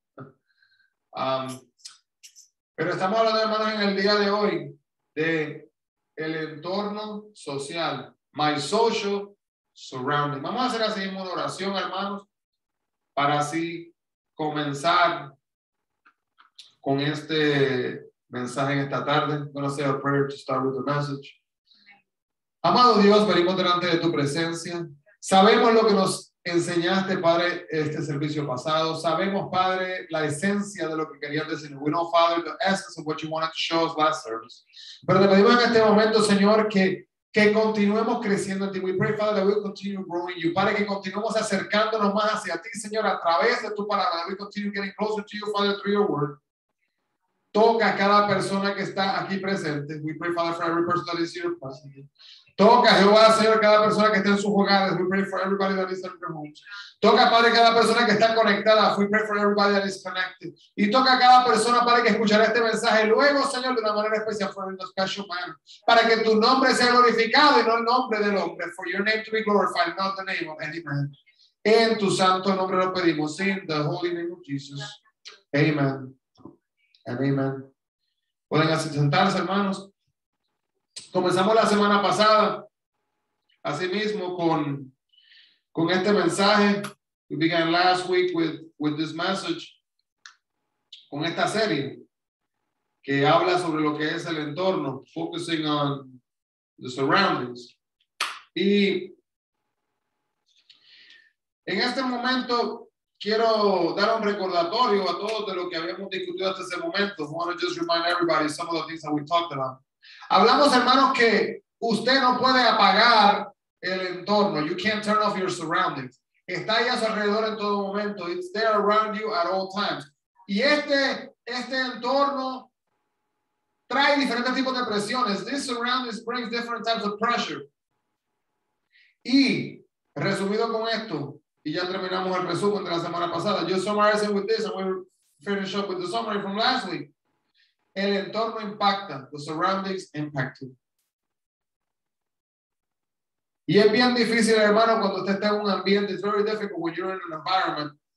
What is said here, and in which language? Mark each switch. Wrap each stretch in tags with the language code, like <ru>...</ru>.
<es>Pero estamos hablando, hermanos, en el día de hoy de el entorno social.</es> <en>My social surrounding.</en> <es>Vamos a hacer así mismo una oración, hermanos, para así comenzar con este mensaje en esta tarde.</es> <en>I'm going to say a prayer to start with the message.</en> <es>Amado Dios, venimos delante de tu presencia. Sabemos lo que nos enseñaste, Padre, este servicio pasado. Sabemos, Padre, la esencia de lo que querías decir.</es> <en>We know, Father, the essence of what you wanted to show us last service.</en> <es>Pero te pedimos en este momento, Señor, que continuemos creciendo en ti.</es> <en>We pray, Father, that we continue growing you.</en> <es>Padre, que continuemos acercándonos más hacia ti, Señor, a través de tu palabra.</es> <en>We continue getting closer to you, Father, through your word.</en> <es>Toca a cada persona que está aquí presente.</es> <en>We pray, Father, for every person that is here present.</en> <es>Toca, Jehová, Señor, cada persona que está en sus hogares.</es> <en>We pray for everybody that is in their homes.</en> <es>Toca, Padre, cada persona que está conectada.</es> <en>We pray for everybody that is connected.</en> <es>Y toca a cada persona, Padre, que escuchará este mensaje luego, Señor, de una manera especial,</es> <en>for in the special manner.</en> <es>Para que tu nombre sea glorificado y no el nombre del hombre.</es> <en>For your name to be glorified, not the name of any man.</en> <es>En tu santo nombre lo pedimos.</es> <en>In the holy name of Jesus. Amen. And amen.</en> <es>Pueden sentarse, hermanos. Comenzamos la semana pasada, así mismo, con este mensaje.</es> <en>We began last week with this message,</en> <es>con esta serie, que habla sobre lo que es el entorno,</es> <en>focusing on the surroundings.</en> <es>Y en este momento, quiero dar un recordatorio a todos de lo que habíamos discutido hasta ese momento.</es> <en>I want to just remind everybody some of the things that we talked about.</en> <es>Hablamos, hermanos, que usted no puede apagar el entorno.</es> <en>You can't turn off your surroundings.</en> <es>Está ahí a su alrededor en todo momento.</es> <en>It's there around you at all times.</en> <es>Y este entorno trae diferentes tipos de presiones.</es> <en>This surroundings brings different types of pressure.</en> <es>Y resumido con esto, y ya terminamos el resumen de la semana pasada.</es> <en>Just summarizing with this, and we'll finish up with the summary from last week.</en> <es>El entorno impacta.</es> <en>The surroundings impact you.</en> <es>Y es bien difícil, hermano, cuando usted está en un ambiente.</es> <en>It's very difficult when you're in an environment.</en>